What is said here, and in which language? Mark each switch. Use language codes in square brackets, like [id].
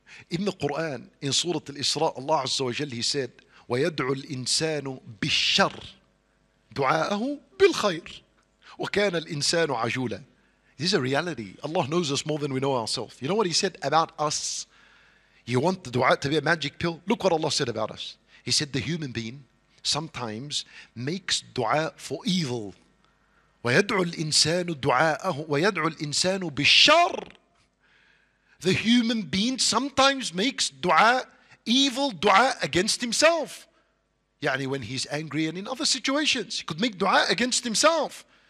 [en] In the Quran, in Surah Al-Isra, Allah Azza wa Jal, he said, [ar] وَيَدْعُ الْإِنسَانُ بِالشَّرِّ دعاءه بالخير وكان الإنسان عجولا. [en] This is a reality. Allah knows us more than we know ourselves. You know what he said about us? You want the dua to be a magic pill? Look what Allah said about us. He said the human being sometimes makes dua for evil. [ar] ويدعو الإنسان دعاءه ويدعو الإنسان بالشر. [en] The human being sometimes makes dua, evil dua, against himself. Yani when he's angry and in other situations, he could make dua against himself.